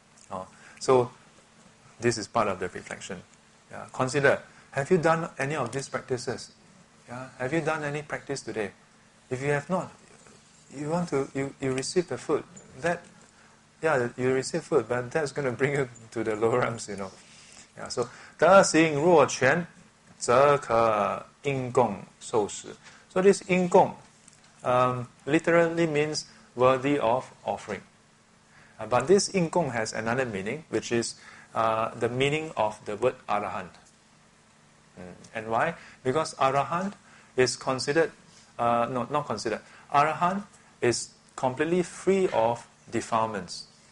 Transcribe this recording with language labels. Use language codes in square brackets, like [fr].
[en] Oh, so, this is part of the reflection. Yeah. Consider, have you done any of these practices? Yeah. Have you done any practice today? If you have not, you want to, you receive the food. That, yeah, you receive food, but that's going to bring you to the lower realms, you know. Yeah. So, [zh] 德行若全, 则可应供受食. [en] So this 应供, literally means worthy of offering. But this 应供 has another meaning, which is the meaning of the word arahant. And why? Because arahant is considered, not considered, arahant is completely free of defilements.